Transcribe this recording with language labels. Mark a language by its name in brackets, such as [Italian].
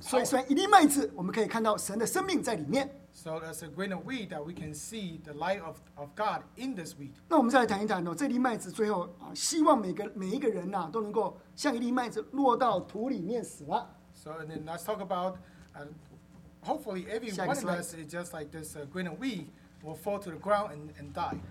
[Chinese] 所以，虽然一粒麦子，我们可以看到神的生命在里面。 [English] So as a grain of wheat that we can see the light of God in this wheat. [Chinese] 那我们再来谈一谈哦，这粒麦子最后啊，希望每一个人呐、啊、都能够像一粒麦子落到土里面死了。 [English] So and then let's talk about, hopefully every one of us is just like this grain of wheat will fall to the ground and die.